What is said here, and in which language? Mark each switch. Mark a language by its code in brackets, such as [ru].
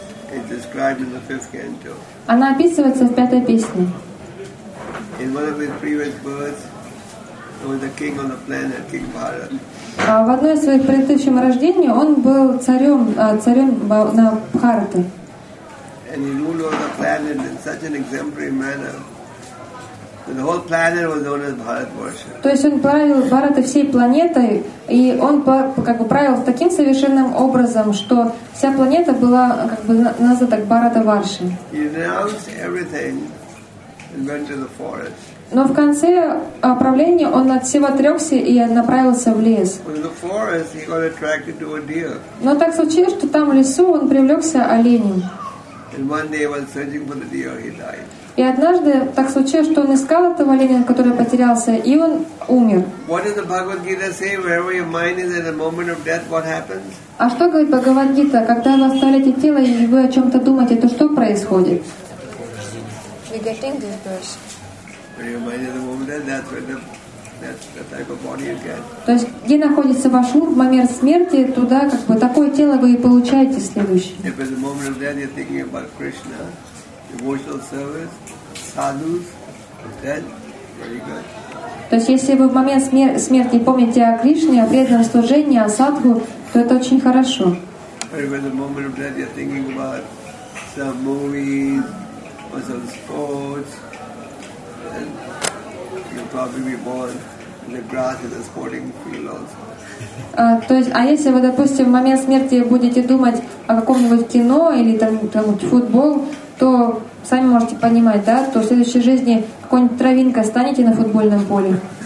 [en] It's described in the fifth canto. [ru] Она описывается в пятой песне. [en] In one of his previous births, there was a king on the planet, King Bharat. [ru] В одной из своих предыдущих рождений он был царем на Бхарате. [en] And he ruled over the planet in such an exemplary manner. The whole planet was known as Bharat Varsha. [ru] То есть он правил Бхаратой всей планетой, и он как бы правил таким совершенным образом, что вся планета была как бы названа так Бхарата Варши. [en] He renounced everything and went to the forest. [ru] Но в конце правления он от всего отрекся и направился в лес. [en] In the forest, he got attracted to a deer. [ru] Но так случилось, что там в лесу он привлекся оленем. [en] And one day, while searching for the deer, he died. [ru] И однажды так случилось, что он искал этого оленя, который потерялся, и он умер. [en] What does the Bhagavad Gita say? Wherever your mind is at the moment of death, what happens? [ru] А что говорит Бхагавад Гита, когда вы оставляете тело и вы о чем-то думаете, то что происходит? [en] We're getting this verse. Where your mind is at the moment of death, that's the type of body you get. [ru] То есть где находится ваш ум в момент смерти, туда как бы такое тело вы и получаете следующее. [en] If at the moment of death you're thinking about Krishna. Devotional service, sadhus, then very good. [ru] То есть, если вы в момент смерти помните о Кришне, о преданном служении, о садху, то это очень хорошо. [en] But if at the moment of death you're thinking about some movies or some sports, then you'll probably be born in the grass in the sporting field also. [ru] То есть, а если вы, допустим, в момент смерти будете думать о каком-нибудь кино или там футбол, то сами можете понимать, да, то в следующей жизни какой-нибудь травинка станете на футбольном поле.